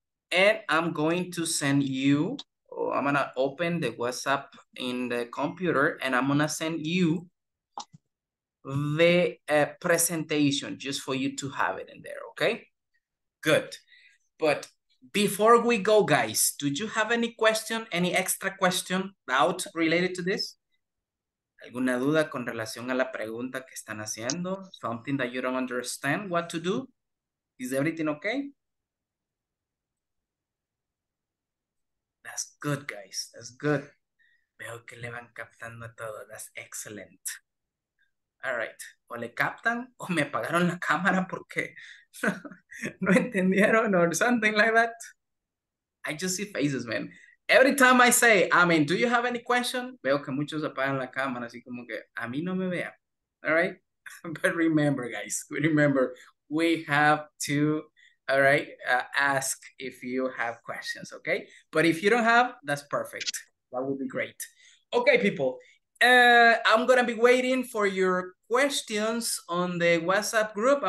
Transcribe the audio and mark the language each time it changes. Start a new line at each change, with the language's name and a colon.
English: And I'm going to send you, I'm gonna open the WhatsApp in the computer and I'm gonna send you the presentation just for you to have it in there, okay? Good. But before we go, guys, do you have any question, any extra question, doubt related to this?
Spanish: ¿Alguna duda con relación a la pregunta que están haciendo?
English: Something that you don't understand what to do? Is everything okay? That's good, guys. That's good.
Spanish: Veo que le van captando todo.
English: That's excellent. All right.
Spanish: O le captan o me apagaron la cámara porque no entendieron
English: or something like that. I just see faces, man. Every time I say, I mean, do you have any question?
Spanish: Veo que muchos apagan la cámara así como que a mí no me vea.
English: All right. But remember, guys. Remember, we have to... All right, ask if you have questions, okay? But if you don't have, that's perfect. That would be great. Okay, people, I'm gonna be waiting for your questions on the WhatsApp group.